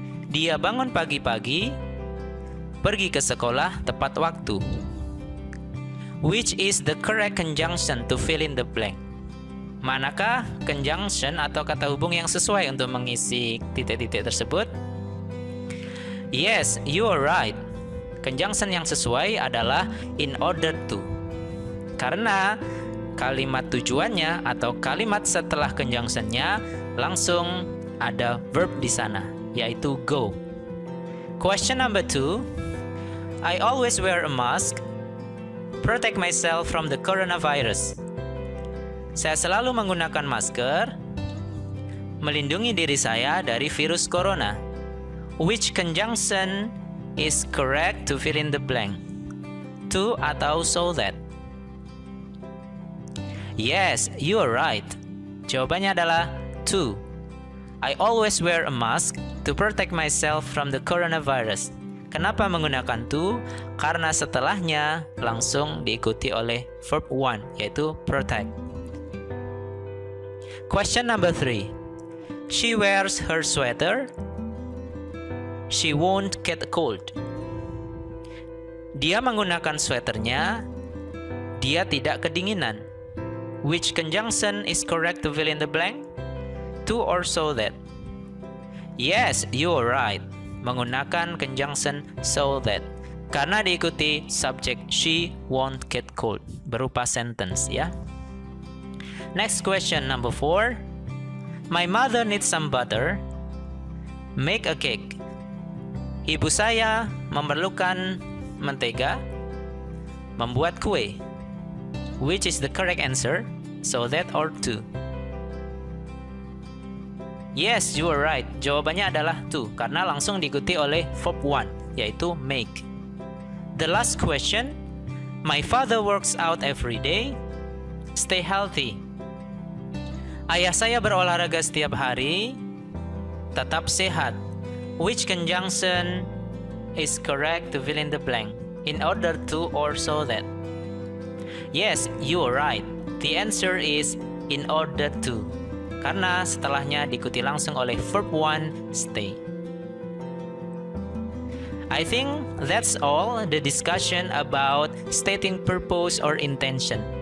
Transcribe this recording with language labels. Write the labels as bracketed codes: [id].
[id] Dia bangun pagi-pagi, pergi ke sekolah tepat waktu. [en] Which is the correct conjunction to fill in the blank? [id] Manakah conjunction atau kata hubung yang sesuai untuk mengisi titik-titik tersebut? [en] Yes, you are right. [id] Conjunction yang sesuai adalah in order to. Karena kalimat tujuannya atau kalimat setelah conjunction-nya langsung ada verb di sana, yaitu go. [en] Question number 2. I always wear a mask, protect myself from the coronavirus. [id] Saya selalu menggunakan masker, melindungi diri saya dari virus corona. [en] Which conjunction is correct to fill in the blank? To atau so that? Yes, you are right. [id] Jawabannya adalah [en] to. I always wear a mask to protect myself from the coronavirus. [id] Kenapa menggunakan to? Karena setelahnya langsung diikuti oleh verb 1, yaitu protect. [en] Question number 3. She wears her sweater. She won't get cold. [id] Dia menggunakan sweaternya, dia tidak kedinginan. [en] Which conjunction is correct to fill in the blank? To or so that? Yes, you are right. [id] Menggunakan conjunction so that, karena diikuti subject [en] she won't get cold, [id] berupa sentence ya. [en] Next question number 4. My mother needs some butter. Make a cake. [id] Ibu saya memerlukan mentega. Membuat kue. [en] Which is the correct answer? So that or to? Yes, you are right. [id] Jawabannya adalah to, karena langsung diikuti oleh verb 1, yaitu make. [en] The last question. My father works out every day. Stay healthy. [id] Ayah saya berolahraga setiap hari. Tetap sehat. [en] Which conjunction is correct to fill in the blank? In order to or so that? Yes, you are right. The answer is in order to. [id] Karena setelahnya diikuti langsung oleh verb 1, stay. [en] I think that's all the discussion about stating purpose or intention.